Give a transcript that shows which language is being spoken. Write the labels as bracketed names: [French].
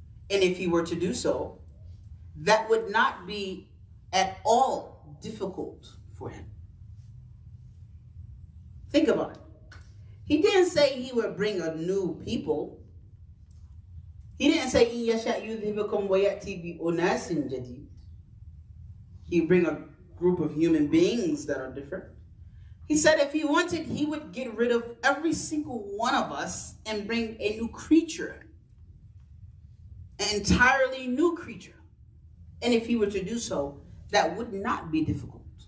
[English] And if He were to do so, that would not be at all difficult for Him. Think about it. He didn't say He would bring a new people. He didn't say, [Arabic] إِنْ يَشَأْ يُذْهِبْكُمْ وَيَأْتِي بِأُنَاسٍ جَدِيدٍ. [English] He'd bring a group of human beings that are different. He said if He wanted, He would get rid of every single one of us and bring a new creature. An entirely new creature. And if He were to do so, that would not be difficult.